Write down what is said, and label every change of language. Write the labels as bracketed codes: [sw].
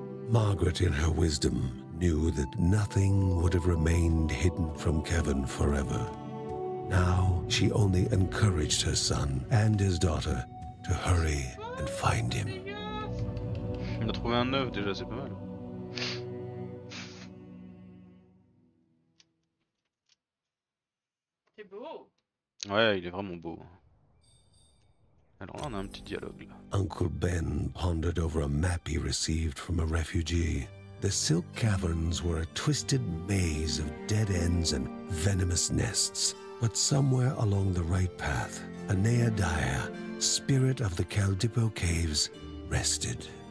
[en] Margaret, in her wisdom, knew that nothing would have remained hidden from Kevin forever. Now, she only encouraged her son and his daughter to hurry and find him. [fr] On a trouvé un œuf déjà, c'est pas mal. C'est beau. Ouais, il est vraiment beau. Alors là, on a un petit dialogue là. [en] Uncle Ben pondered over a map he received from a refugee. The Silk Caverns were a twisted maze of dead ends and venomous nests. But somewhere along the right path, a Naedaya, spirit of the Caldipo Caves, rested.